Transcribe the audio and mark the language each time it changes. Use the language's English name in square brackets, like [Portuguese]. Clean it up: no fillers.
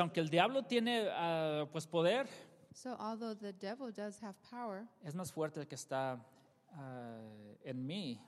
[Spanish] Aunque el diablo tiene pues poder, [English] so although the devil does have power, [Spanish] es más fuerte el que está en mí,